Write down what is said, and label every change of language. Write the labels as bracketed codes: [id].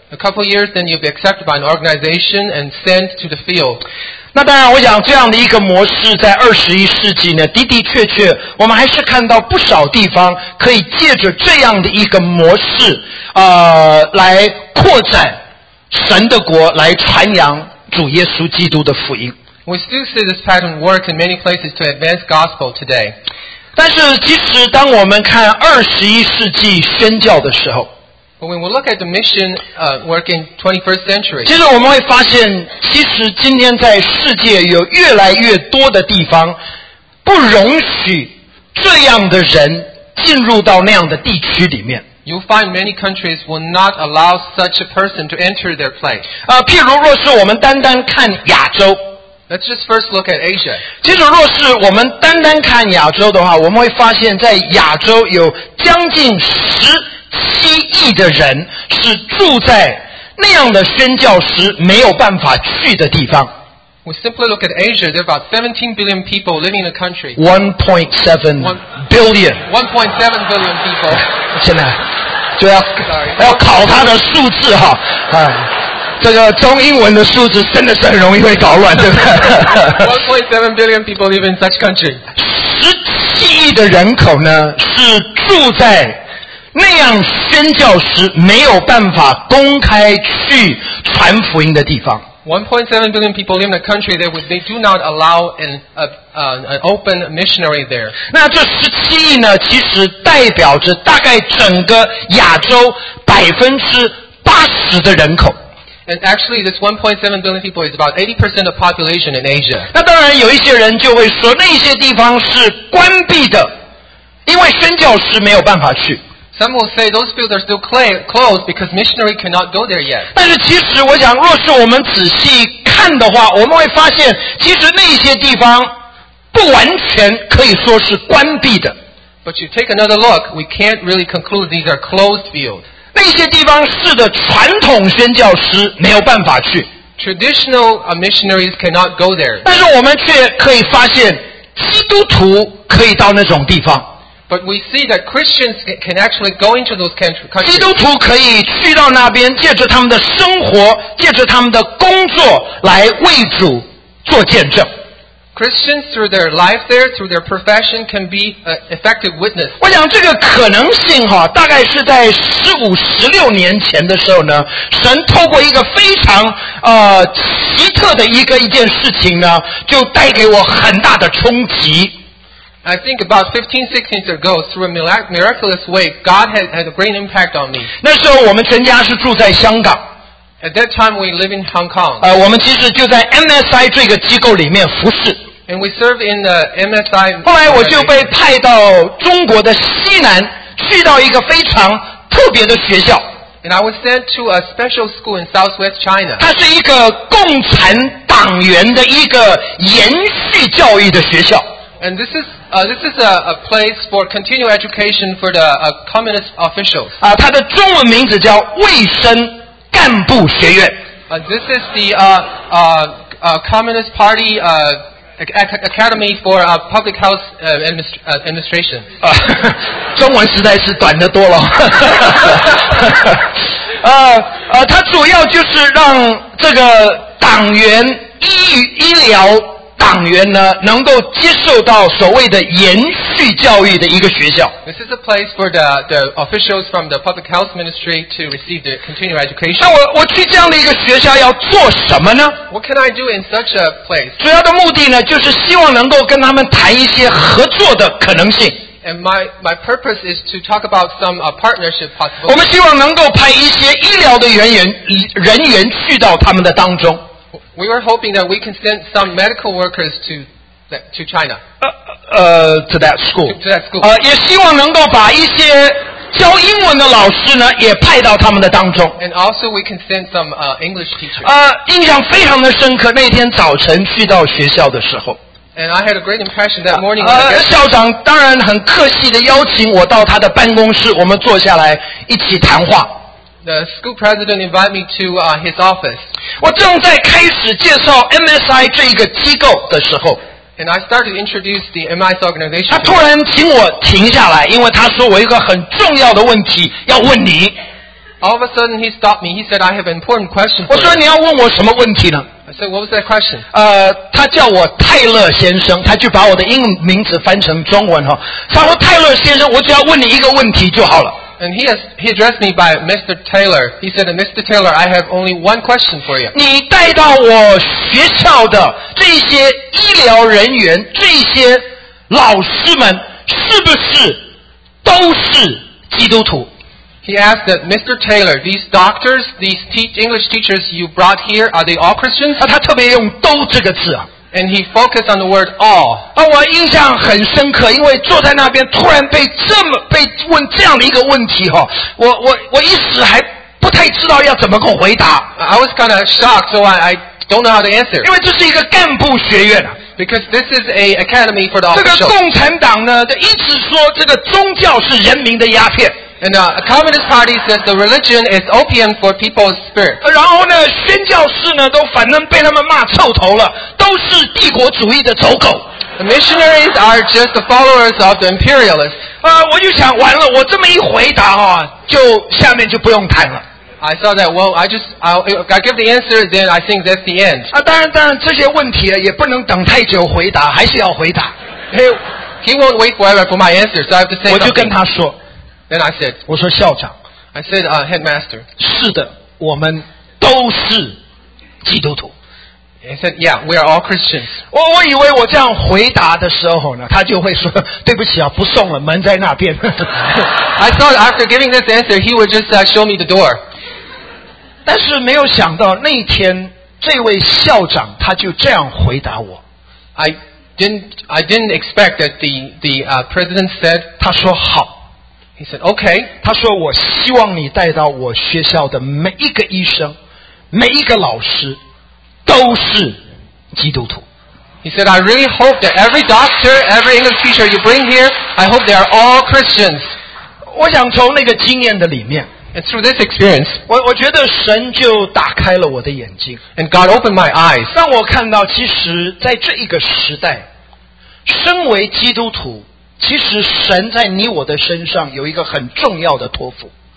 [en] A couple years, then you'll be accepted by an organization and sent to the field. [zh] 那当然，我想这样的一个模式在21世纪呢，的的确确，我们还是看到不少地方可以借着这样的一个模式，来扩展神的国，来传扬主耶稣基督的福音。 [en] We still see this pattern work in many places to advance gospel today. [zh] 但是其实当我们看二十一世纪宣教的时候 [en] when we look at the mission work in 21st century, [zh] 其实我们会发现其实今天在世界有越来越多的地方不容许这样的人进入到那样的地区里面。 [en] You'll find many countries will not allow such a person to enter their place. [zh] 譬如若是我们单单看亚洲。 [en] Let's just first look at Asia. [zh] 其实若是我们单单看亚洲的话，我们会发现在亚洲有将近17亿的人是住在那样的宣教师没有办法去的地方。 [en] We simply look at Asia, there are about 17 billion people living in the country. 1.7 billion. 1.7 billion people. [zh] 现在就要、 [en] Sorry. [zh] 要考他的数字哈、啊，这个中英文的数字真的是很容易会搞乱，对不对 [en] ？1.7 billion people live in such country. [zh] 17亿的人口呢，是住在那样宣教师没有办法公开去传福音的地方。 [en] 1.7 billion people live in a country that they do not allow an open missionary there. [zh] 那这17亿呢，其实代表着大概整个亚洲80%的人口。 [en] And actually, this 1.7 billion people is about 80% of population in Asia. [zh] 那当然，有一些人就会说，那些地方是关闭的，因为宣教师没有办法去。 [en] Some will say those fields are still closed because missionary cannot go there yet. [zh] 但是其实我想，若是我们仔细看的话，我们会发现，其实那些地方不完全可以说是关闭的。 [en] But you take another look, we can't really conclude these are closed fields. [zh] 那些地方是的，传统宣教师没有办法去。 [en] Traditional missionaries cannot go there. [zh] 但是我们却可以发现，基督徒可以到那种地方。 [en] But we see that Christians can actually go into those countries. [zh] 基督徒可以去到那边，借着他们的生活，借着他们的工作，来为主做见证。 [en] Christians through their life there, through their profession, can be an effective witness. [zh] 我想这个可能性哈，大概是在15-16年前的时候呢，神透过一个非常奇特的一件事情呢，就带给我很大的冲击。 [en] I think about 15-16 years ago, through a miraculous way, God had a great impact on me. [zh] 那时候我们全家是住在香港。 [en] At that time, we live in Hong Kong. [zh] 我们其实就在 MSI 这个机构里面服侍。 [en] And we served in the MSI. [zh] 后来我就被派到中国的西南，去到一个非常特别的学校。 [en] And I was sent to a special school in Southwest China. [zh] 它是一个共产党员的一个延续教育的学校。 [en] And this is a place for continual education for the communist officials. [zh] 它的中文名字叫卫生干部学院。 [en] This is the communist party academy for public health administration. [zh] 中文实在是短得多了。它主要就是让这个党员医疗。党员呢，能够接受到所谓的延续教育的一个学校。 [en] This is a place for the officials from the public health ministry to receive the continuing education. [zh] 那我去这样的一个学校要做什么呢 [en] ？What can I do in such a place? [zh] 主要的目的呢，就是希望能够跟他们谈一些合作的可能性。 [en] And my purpose is to talk about some partnership possibility. [zh] 我们希望能够派一些医疗的人员去到他们的当中。 [en] We were hoping that we can send some medical workers to China. To that school. To that school. [zh] 也希望能够把一些教英文的老师呢，也派到他们的当中。 [en] And also we can send some English teachers. [zh] 印象非常的深刻，那天早晨去到学校的时候。 [en] And I had a great impression that morning. [zh] 校长当然很客气的邀请我到他的办公室，我们坐下来一起谈话。 [en] The school president invited me to his office. [zh] 我正在开始介绍 MSI 这一个机构的时候 [en] ，and I started to introduce the MSI organization. [zh] 他突然请我停下来，因为他说我一个很重要的问题要问你。 [en] All of a sudden, he stopped me. He said, "I have an important question." [zh] 我说你要问我什么问题呢 [en] ？I said, "What was that question?" [zh] 他叫我泰勒先生，他就把我的英文名字翻成中文哈。他说泰勒先生，我只要问你一个问题就好了。 [en] And he addressed me by Mr. Taylor. He said, "Mr. Taylor, I have only one question for you." [zh] 你带到我学校的这些医疗人员、这些老师们，是不是都是基督徒。 [en] He asked that, Mr. Taylor, these doctors, these English teachers you brought here, are they all Christians? [zh] 他特别用都这个字啊。 [en] And he focused on the word all. [zh] 我印象很深刻，因为坐在那边突然被问这样的一个问题，我一时还不太知道要怎么回答。 [en] I was kind of shocked, so I don't know how to answer. [zh] 因为这是一个干部学院啊。 [en] Because this is an academy for the officials. [zh] 这个共产党呢，就一直说这个宗教是人民的鸦片。 [en] And the Communist Party says the religion is opium for people's spirit. [zh] 然后呢，宣教士呢都反正被他们骂臭头了，都是帝国主义的走狗。 [en] The missionaries are just the followers of the imperialists. [zh] 我就想完了，我这么一回答啊，就下面就不用谈了。 [en] I saw that. Well, I give the answer, then I think that's the end. [zh] 当然，这些问题也不能等太久回答，还是要回答。 [en] He won't wait forever for my answer, so I have to say. [zh] 我就跟他说。 [en] Then I said, [zh] 我说校长 [en] I said, headmaster, [zh] 是的我们都是基督徒 [en] I said, yeah, we are all Christians. [zh] 我以为我这样回答的时候呢，他就会说对不起啊，不送了，门在那边。 [en] I thought after giving this answer, he would just show me the door. [zh] 但是没有想到那天这位校长他就这样回答我 [en] I didn't expect that the president said, [zh] 他说好 [en] He said, okay. [zh] 他说我希望你带到我学校的每一个医生每一个老师都是基督徒。 [en] He said, I really hope that every doctor, every English teacher you bring here, I hope they are all Christians. [zh] 我想从那个经验的里面 [en] And through this experience, [zh] 我觉得神就打开了我的眼睛 [en] And God opened my eyes. [zh] 让我看到其实在这一个时代身为基督徒其实神在你我的身上有一个很重要的托付。